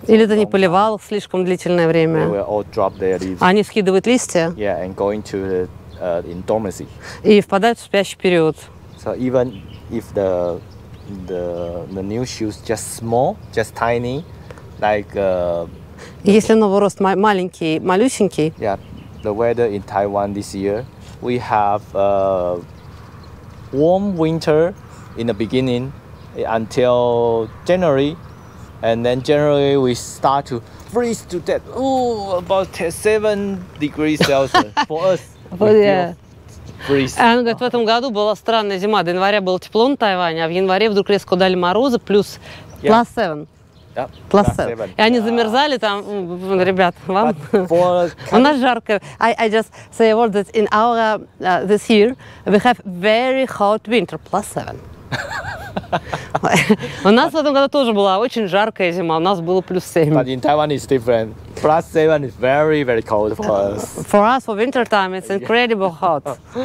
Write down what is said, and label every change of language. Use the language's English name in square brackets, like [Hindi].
[Russian] Или ты не поливал слишком длительное время. [English] They will all drop their leaves. [Russian] Они скидывают листья. [English] Yeah, and going to the in dormancy. [Russian] И впадают в спящий период. [English] So even if the new shoots just small, just tiny. Like, [Russian] если новый рост маленький, малюсенький. [English] Yeah, the weather in Taiwan this year, we have warm winter in the beginning until January, and then January we start to freeze to death. Ooh, about 7 degrees Celsius for us. But yeah. Freeze. [Russian] Она говорит, в этом году была странная зима. До января было тепло на Тайване, а в январе вдруг резко дали морозы плюс +7. Placenta. И они замерзали там, ребят, вам. У нас жарко. [English] I just say a word that in our this year we have very hot winter plus seven. [Russian] У нас в этом году тоже была очень жаркая зима, у нас было плюс 7. [English] But in Taiwan it's different. Plus 7 is very, very cold for us. For us, for winter time, it's incredible hot.